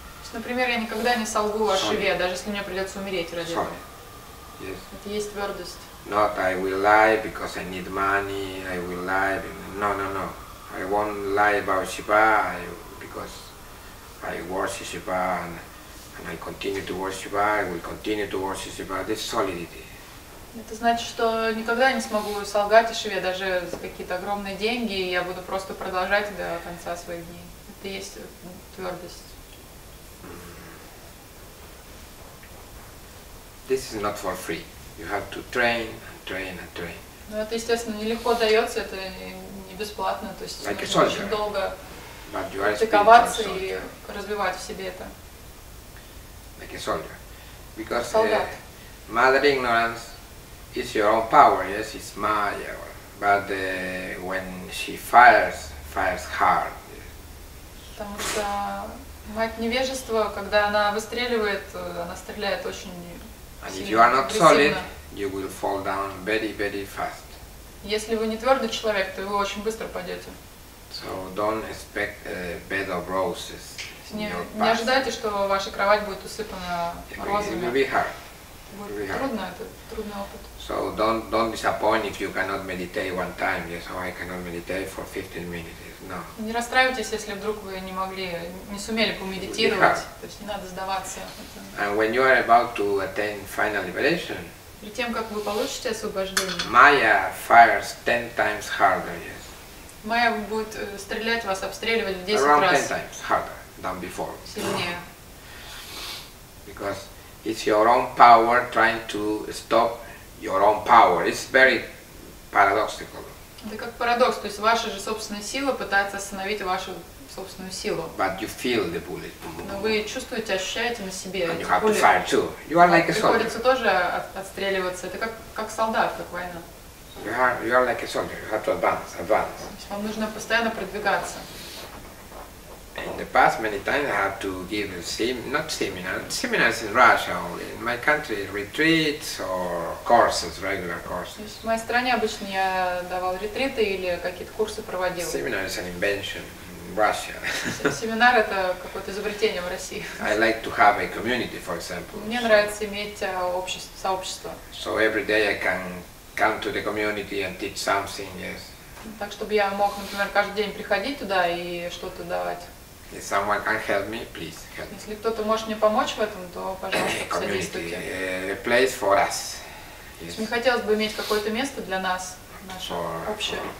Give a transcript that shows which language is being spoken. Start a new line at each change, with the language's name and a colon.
Russian: То есть, например, я никогда не солгу о Шиве, даже если мне придется умереть ради этого.
English: Yes.
Russian: Это есть твердость.
English: Not I will lie because I need money. I will lie. No. I won't lie about Shiva because I worship Shiva and I continue to worship Shiva, I will continue to worship Shiva. This solidity.
Russian: Это значит, что никогда не смогу солгать о Шиве, даже за какие-то огромные деньги, и я буду просто продолжать до конца своих дней. Это есть твердость.
English: This is not for free. You have to train.
Russian: Ну, это, естественно, нелегко дается, это не бесплатно, то есть
English: like
Russian: очень долго практиковаться и развивать в себе это.
English: Like a soldier. Because
Russian: солдат.
English: Mother ignorance is your own power, yes, it's Maya. But when she fires hard.
Russian: Потому что мать невежества, когда она выстреливает, она стреляет очень сильно.
English: And if you are not solid, you will fall down very, very fast.
Russian: Если вы не твердый человек, то вы очень быстро падете.
English: So don't expect a bed of roses.
Russian: Не ожидайте, что ваша кровать будет усыпана розами.
English: It will be hard.
Russian: Трудно, это трудный опыт.
English: So don't disappoint if you cannot meditate one time. Yes, oh, I cannot meditate for 15 minutes. No.
Russian: Не расстраивайтесь, если вдруг вы не могли, не сумели помедитировать. То есть не надо сдаваться.
English: And when you are about to attain final liberation,
Russian: перед тем, как вы получите освобождение,
English: Maya fires 10 times harder, yes.
Russian: Maya будет стрелять вас, обстреливать в 10
English: Around
Russian: раз.
English: Around 10 times harder than before.
Russian: Сильнее.
English: Because it's your own power trying to stop your own power. It's very paradoxical.
Russian: Это как парадокс, то есть ваша же собственная сила пытается остановить вашу собственную силу.
English: But you feel the bullet.
Russian: Но вы чувствуете, ощущаете на себе.
English: And you have to fire too. You are like a soldier.
Russian: Приходится тоже отстреливаться. Это как солдат, как война.
English: You are like a soldier. You have to advance.
Russian: То есть вам нужно постоянно продвигаться.
English: In the past, many times I have to give seminars in Russia only. In my country, retreats or courses, regular courses.
Russian: В моей стране обычно я давал ретриты или какие-то курсы проводил.
English: Seminar is an invention in Russia.
Russian: Семинар это какое-то изобретение в России.
English: I like to have a community, for example.
Russian: Мне нравится иметь общество, сообщество.
English: So every day I can come to the community and teach something, yes.
Russian: Так, чтобы я мог, например, каждый день приходить туда и что-то давать.
English: If someone can help me, please help.
Russian: Если кто-то может мне помочь в этом, то, пожалуйста, содействуйте.
English: A place for us. Yes.
Russian: Мне хотелось бы иметь какое-то место для нас, наше общее.